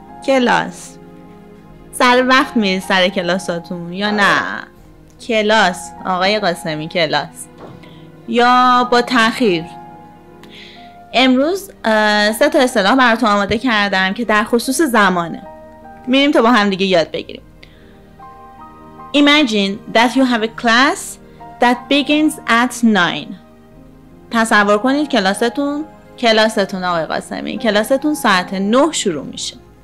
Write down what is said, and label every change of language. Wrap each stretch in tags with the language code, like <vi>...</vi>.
<fa>کلاس سر وقت میرید سر کلاساتون یا نه؟ کلاس آقای قاسمی، کلاس یا با تاخیر؟ امروز سه تا اصطلاح براتون آماده کردم که در خصوص زمانه. میریم تا با هم دیگه یاد بگیریم.</fa> <en>Imagine that you have a class that begins at 9.</en> <fa>تصور کنید کلاستون آقای قاسمی، کلاستون ساعت 9 شروع میشه.</fa>